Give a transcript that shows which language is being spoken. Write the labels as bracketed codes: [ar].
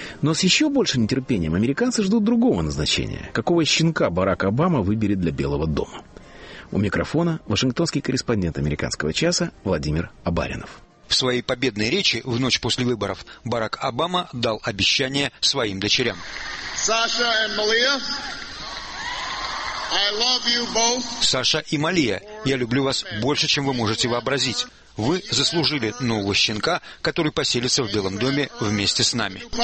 [ru] Но с еще большим нетерпением американцы ждут другого назначения. Какого щенка Барак Обама выберет для Белого дома? У микрофона вашингтонский корреспондент «Американского часа» Владимир Абаринов. В своей победной речи в ночь после выборов Барак Обама дал обещание своим дочерям. [en] Саша и Малия, I love you both. [ru] Саша и Малия, я люблю вас больше, чем вы можете вообразить. Вы заслужили нового щенка, который поселится в Белом доме вместе с нами.